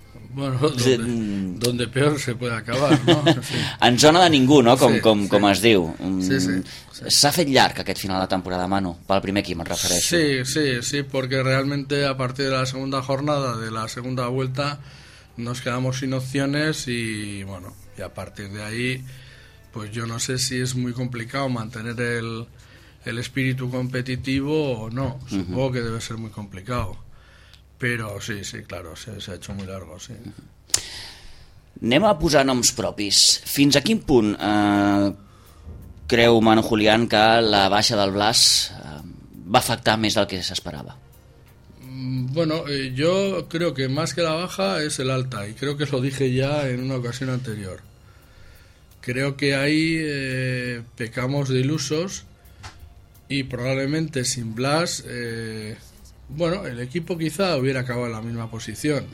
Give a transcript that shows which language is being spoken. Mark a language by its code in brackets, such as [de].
[es] bueno, donde peor se puede acabar, ¿no? Sí. [ca] En zona de ningú, no? Com, sí, com, sí, com es diu, sí, sí, s'ha fet llarg aquest final de temporada, Manu, pel primer equip em refereixo. [es] Sí, sí, sí, porque realmente a partir de la segunda jornada, de la segunda vuelta, nos quedamos sin opciones y bueno, y a partir de ahí pues yo no sé si es muy complicado mantener el espíritu competitivo o no. Supongo, uh-huh, que debe ser muy complicado. Pero sí, sí, claro, se ha hecho muy largo, sí. [ca] Uh-huh. Anem a posar noms propis. Fins a quin punt creu Manu Julián que la baixa del Blas va afectar més del que s'esperava? [es] Bueno, yo creo que más que la baja es el alta. Y creo que lo dije ya en una ocasión anterior. Creo que ahí pecamos de ilusos y probablemente sin Blas, bueno, el equipo quizá hubiera acabado en la misma posición,